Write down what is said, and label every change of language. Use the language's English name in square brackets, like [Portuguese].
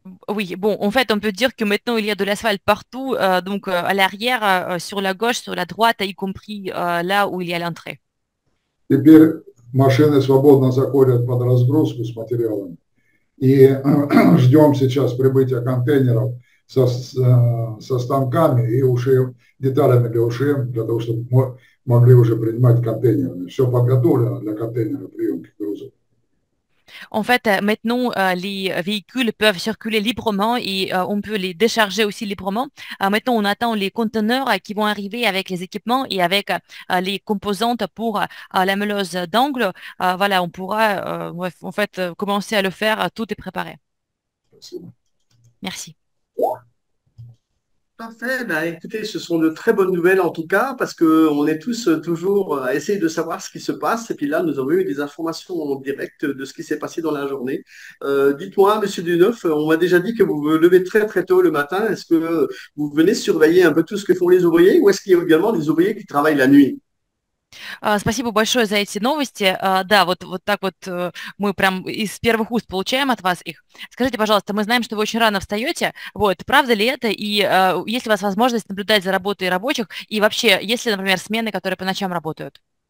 [French] Oui, bon, en fait, on peut dire que maintenant, il y a de l'asphalte partout, donc à l'arrière, sur la gauche, sur la droite, y compris là où il y a l'entrée. [Russian] Теперь машины свободно заходят под разгрузку с материалами. И ждем сейчас прибытия контейнеров со станками и деталями для ушей, для того, чтобы мы могли уже принимать контейнеры. Все подготовлено для контейнера приемки грузов. [French] En fait, maintenant, les véhicules peuvent circuler librement et on peut les décharger aussi librement. Maintenant, on attend les conteneurs qui vont arriver avec les équipements et avec les composantes pour la meuleuse d'angle. Voilà, on pourra bref, en fait, commencer à le faire. Tout est préparé. Merci. Parfait. Bah, écoutez, ce sont de très bonnes nouvelles en tout cas, parce qu'on est tous toujours à essayer de savoir ce qui se passe. Et puis là, nous avons eu des informations en direct de ce qui s'est passé dans la journée. Dites-moi, Monsieur Duneuf, on m'a déjà dit que vous vous levez très très tôt le matin. Est-ce que vous venez surveiller un peu tout ce que font les ouvriers, ou est-ce qu'il y a également des ouvriers qui travaillent la nuit? [Russian] Спасибо большое за эти новости. Да, вот так вот мы прям из первых уст получаем от вас их. Скажите, пожалуйста, мы знаем, что вы очень рано встаете. Вот, правда ли это? И есть ли у вас возможность наблюдать за работой рабочих? И вообще, есть ли, например, смены, которые по ночам работают?